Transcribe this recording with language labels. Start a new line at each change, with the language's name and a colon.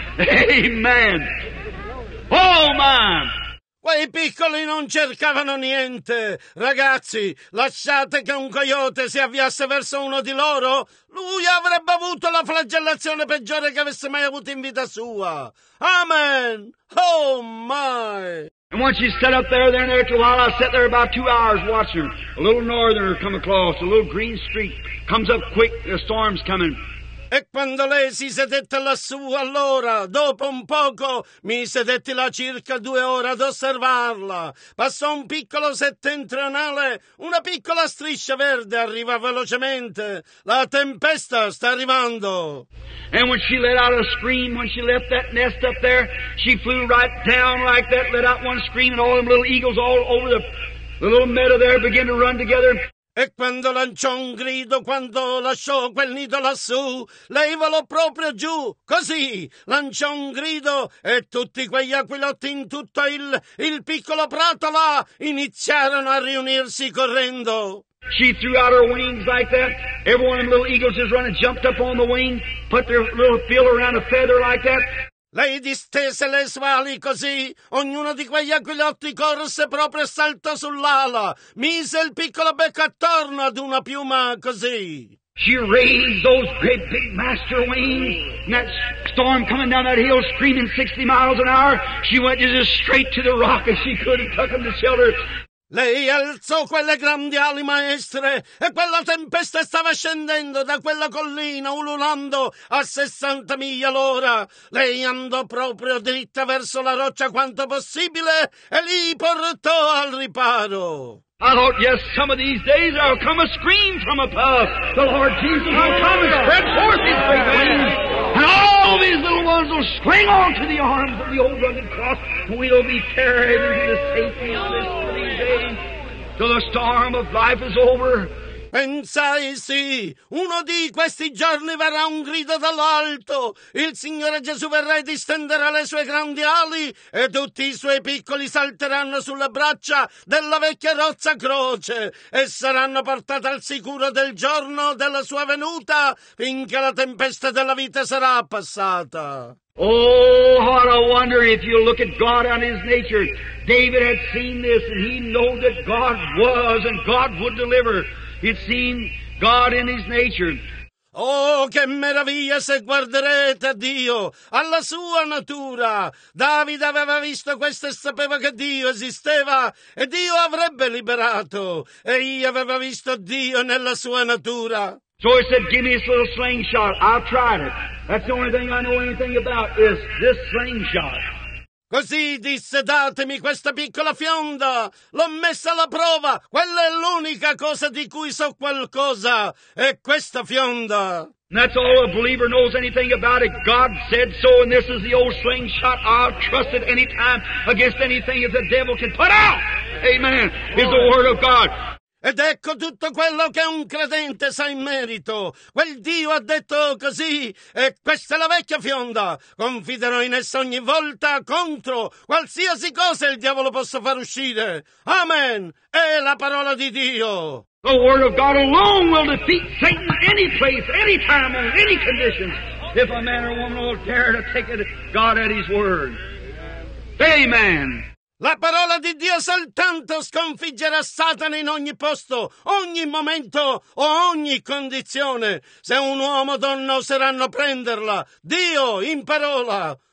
English: Amen. Oh, man.
Italian: Quei piccoli non cercavano niente. Ragazzi, lasciate che un coyote si avviasse verso uno di loro. Lui avrebbe avuto la flagellazione peggiore che avesse mai avuto in vita sua.
English: Amen. Oh, my. And once you set up there and there, after a while, I sat there about 2 hours watching. A little northerner come across, a little green streak comes up quick, the storm's coming.
Italian: E quando lei si sedette lassù, allora, dopo un poco, mi sedetti là circa 2 ore ad osservarla. Passò un piccolo settentrionale, una piccola striscia verde arriva velocemente. La tempesta sta arrivando.
English: And when she let out a scream, when she left that nest up there, she flew right down like that, let out one scream, and all them little eagles all over the little meadow there began to run together.
Italian: E quando lanciò un grido, quando lasciò quel nido lassù, lei volò proprio giù, così, lanciò un grido e tutti quegli aquilotti in tutto il piccolo prato là iniziarono a riunirsi correndo.
English: She threw out her wings like that. Every one of them little eagles just running, jumped up on the wing, put their little bill around a feather like that.
Italian: Lei distese le sue ali così, ognuno di quegli aquilotti corse proprio e saltò sull'ala, mise il piccolo becco attorno ad una piuma così.
English: She raised those great big master wings, and that storm coming down that hill screaming 60 miles an hour, she went just as straight to the rock as she could and took them to shelter.
Italian: Lei alzò quelle grandi ali maestre e quella tempesta stava scendendo da quella collina ululando a 60 miglia l'ora. Lei andò proprio dritta verso la roccia quanto possibile e li portò al riparo.
English: I thought, yes, some of these days I'll come a scream from above. The Lord Jesus will come and spread forth his great wings. And all these little ones will spring onto the arms of the old rugged cross. We'll be carried into the safety of this three days till the storm of life is over.
Italian: Pensai, sì, uno di questi giorni verrà un grido dall'alto, il Signore Gesù verrà e distenderà le sue grandi ali e tutti i suoi piccoli salteranno sulle braccia della vecchia rozza croce e saranno portati al sicuro del giorno della sua venuta finché la tempesta della vita sarà passata.
English: Oh, what a wonder if you look at God and his nature. David had seen this and he knew that God was and God would deliver. It seemed God in his nature.
Italian: Oh, che meraviglia se guarderete a Dio, alla sua natura. Davide aveva visto questo e sapeva che Dio esisteva e Dio avrebbe liberato. E io aveva visto Dio nella sua natura.
English: So he said, give me this little slingshot. I've tried it. That's the only thing I know anything about is this slingshot.
Italian: Così disse, datemi questa piccola fionda, l'ho messa alla prova, quella è l'unica cosa di cui so qualcosa, è questa fionda.
English: And that's all a believer knows anything about it. God said so, and this is the old slingshot. I'll trust it any time against anything that the devil can put out. Amen. Is the word of God.
Italian: Ed ecco tutto quello che un credente sa in merito. Quel Dio ha detto così, e questa è la vecchia fionda. Confiderò in essa ogni volta contro qualsiasi cosa il diavolo possa far uscire. Amen. È la parola di Dio.
English: The word of God alone will defeat Satan any place, any time, on any conditions, if a man or woman will dare to take God at his word. Amen.
Italian: La parola di Dio soltanto sconfiggerà Satana in ogni posto, ogni momento o ogni condizione. Se un uomo o donna oseranno prenderla, Dio in parola.